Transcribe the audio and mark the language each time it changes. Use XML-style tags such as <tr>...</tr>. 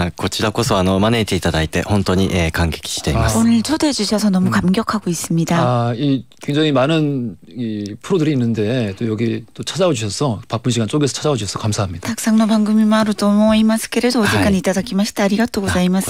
<ja>こちらこそ招いていただいて本当に 感激しています.</ja> <ko>오늘 초대해 주셔서 너무 감격하고 있습니다. 굉장히 많은 프로들이 있는데 또 여기 또 찾아와 주셔서 바쁜 시간 쪼개서 찾아와 주셔서 감사합니다.</ko> <ja>たくさんの番組もあると思いますけれど お時間いただきました.ありがとうございます.</ja>